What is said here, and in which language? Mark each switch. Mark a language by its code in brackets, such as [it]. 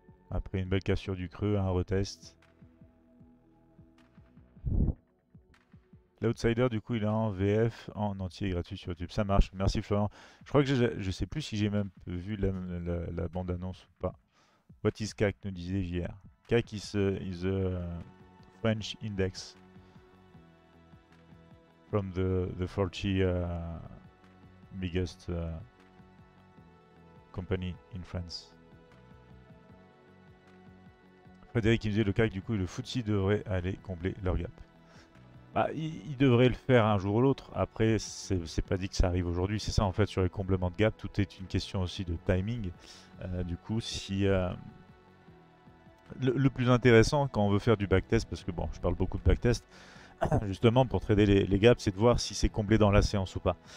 [fr] Après une belle cassure du creux, un retest. L'outsider, du coup, il est en VF en entier gratuit sur YouTube. Ça marche. Merci Florent. Je crois que je sais plus si j'ai même vu la bande-annonce ou pas. [en] What is CAC, [fr] nous disait hier. [en] CAC is a French index from the 40 biggest company in France. [fr] Frédéric, il disait le CAC, du coup, le FTSE devrait aller combler leur gap. Bah, il devrait le faire un jour ou l'autre. Après, c'est pas dit que ça arrive aujourd'hui. C'est ça en fait sur les comblements de gap. Tout est une question aussi de timing. Du coup, si le plus intéressant quand on veut faire du backtest, parce que bon, je parle beaucoup de backtest, justement pour trader les gaps, c'est de voir si c'est comblé dans la séance ou pas.